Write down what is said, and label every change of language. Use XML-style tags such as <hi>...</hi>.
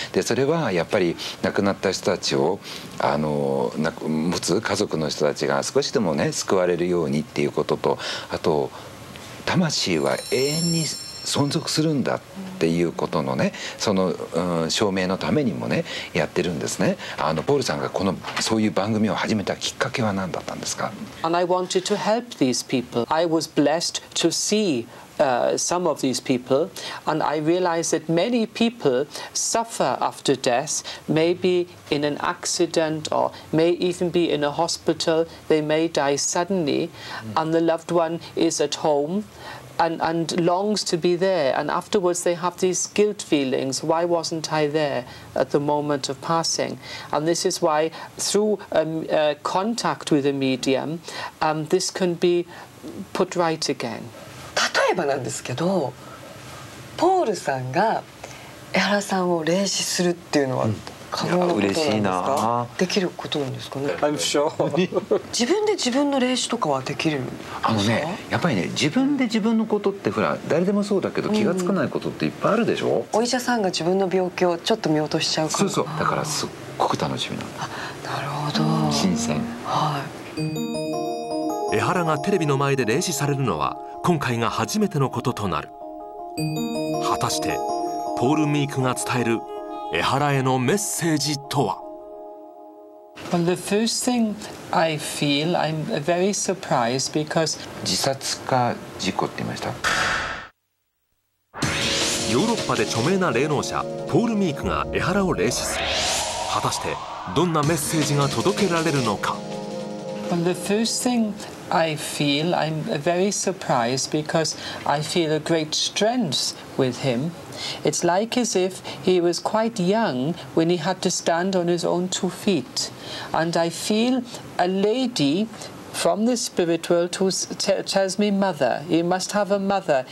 <ja>でそれはやっぱり亡くなった人たちを、あの持つ家族の人たちが少しでもね救われるようにっていうことと、あと魂は永遠に存続するんだっていうことのね、その、うん、証明のためにもねやってるんですね。ポールさんがこのそういう番組を始めたきっかけは何だったんですか？</ja> <en>And I wanted to help these people. I was blessed to see some of these people, and I realized that many people suffer after death, maybe in an accident or may even be in a hospital. They may die suddenly, and the loved one is at home. And longs to be there, and afterwards they have these guilt feelings. Why wasn't I there at the moment of passing? And this is why, through contact with a medium, this can be put right again.</en> <ja>例えばなんですけど、ポールさんが江原さんを霊視するっていうのは可能なことなんですか？いや、嬉しいな。できることなんですかね？</ja> <en>I'm sure.</en> <ja>自分で自分の霊視とかはできるんですか？あのね、やっぱりね、自分で自分のことってほら誰でもそうだけど気がつかないことっていっぱいあるでしょ、うん、お医者さんが自分の病気をちょっと見落としちゃうから。そうそう、だからすっごく楽しみなんだ。なるほど、新鮮。はい、江原がテレビの前で霊視されるのは今回が初めてのこととなる。果たしてポール・ミークが伝える江原へのメッセージとは。</ja> <en>Well, the first thing I feel, I'm very surprised because</en> <ja>自殺か事故って言いました。ヨーロッパで著名な霊能者ポール・ミークが江原を霊視する。果たしてどんなメッセージが届けられるのか。</ja> <en>Well, the first thing I feel, I'm very surprised because I feel a great strength with him. It's like as if he was quite young when he had to stand on his own two feet. And I feel a lady from the spirit world who tells me, mother, you must have a mother.</en>